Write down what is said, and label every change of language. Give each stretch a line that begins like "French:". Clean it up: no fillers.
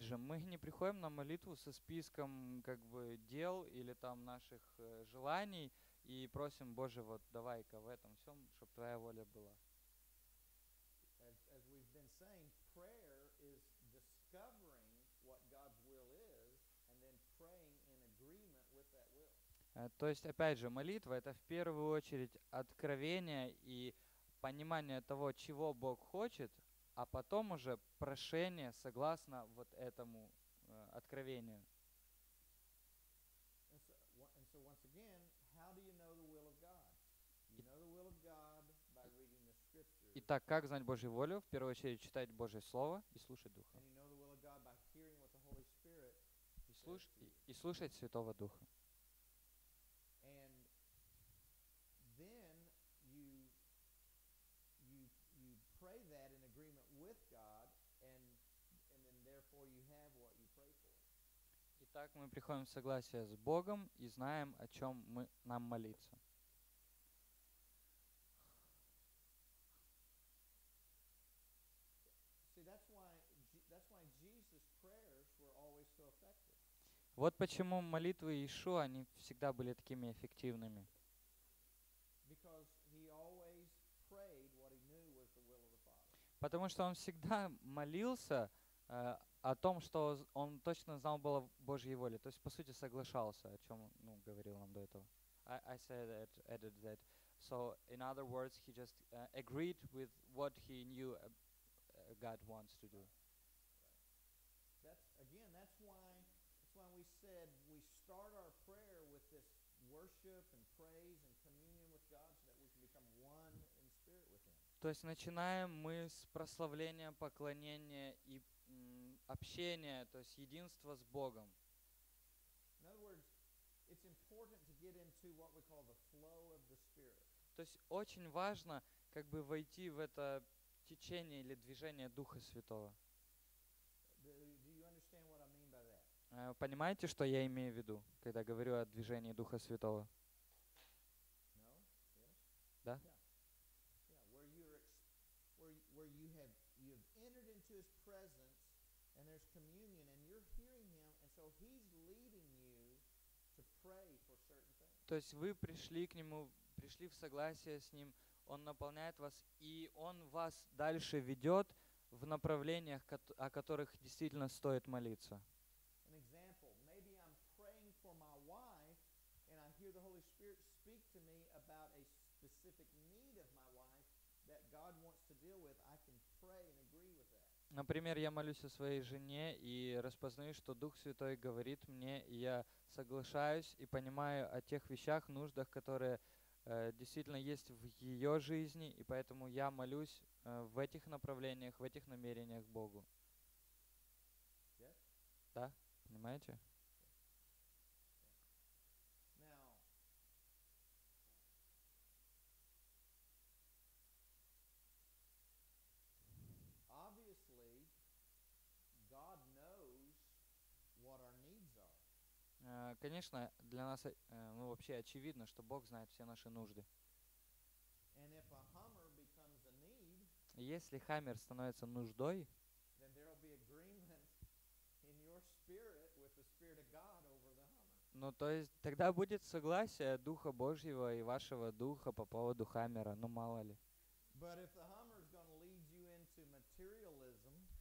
Russian: же, мы не приходим на молитву со списком как бы дел или там наших желаний и просим: Боже, вот давай-ка в этом всем, чтобы Твоя воля была.
English: As we've been saying, prayer is discovering what God's will is and then praying in agreement with that will.
Russian: То есть, опять же, молитва — это в первую очередь откровение и понимание того, чего Бог хочет, а потом уже прошение согласно вот этому откровению.
English: And so once again, how do you know the will of God? You know the will of God by reading the scriptures.
Russian: Итак, как знать Божью волю? В первую очередь читать Божье слово и слушать Духа.
English: And you know the will of God by hearing what the Holy Spirit
Russian: и слушать Святого Духа.
English: And then you pray that in agreement with God, and then therefore you have what you pray for.
Russian: Итак, мы приходим в согласие с Богом и знаем, о чем мы нам молиться.
English: See, that's why Jesus' prayers were always so effective.
Russian: Вот почему молитвы Иешуа, они всегда были такими эффективными.
English: Because he always prayed what he knew was the will of the Father.
Russian: Потому что он всегда молился о том, что он точно знал было Божьей воле. То есть, по сути, соглашался, о чем говорил нам до этого.
English: I said that, added that. So, in other words, he just agreed with what he knew God wants to do. That's why we said we start our prayer with this worship and praise and communion with God so that we can become one in spirit with Him.
Russian: То есть начинаем мы с прославления, поклонения и общения, то есть единства с Богом.
English: In other words, it's important to get into what we call the flow of the Spirit.
Russian: То есть очень важно как бы войти в это течение или движение Духа Святого.
English: Do you understand what I mean by that?
Russian: Понимаете, что я имею в виду, когда говорю о движении Духа Святого?
English: No? Yes.
Russian: Да?
English: Yeah. Where you have entered into His presence and there's communion and you're hearing Him and so He's leading you to pray for certain things.
Russian: То есть вы пришли к Нему, пришли в согласие с Ним, Он наполняет вас, и Он вас дальше ведет в направлениях, о которых действительно стоит молиться.
English: An example. Maybe I'm praying for my wife, and I hear the Holy Spirit speak to me about a specific need of my wife that God wants to deal with. I can pray and agree with that.
Russian: Например, я молюсь о своей жене и распознаю, что Дух Святой говорит мне, и я соглашаюсь и понимаю о тех вещах, нуждах, которые действительно есть в ее жизни, и поэтому я молюсь в этих направлениях, в этих намерениях Богу.
English: Yes?
Russian: Да? Понимаете?
English: Now, obviously, God knows what our needs are.
Russian: Конечно, для нас вообще очевидно, что Бог знает все наши нужды.
English: And if a hummer becomes a need,
Russian: если хаммер становится нуждой,
English: then there'll be agreement in your spirit with the Spirit of God over the hummer.
Russian: Ну, то есть тогда будет согласие Духа Божьего и вашего Духа по поводу Хаммера, ну мало ли.
English: But if the Hummer is gonna lead you into materialism,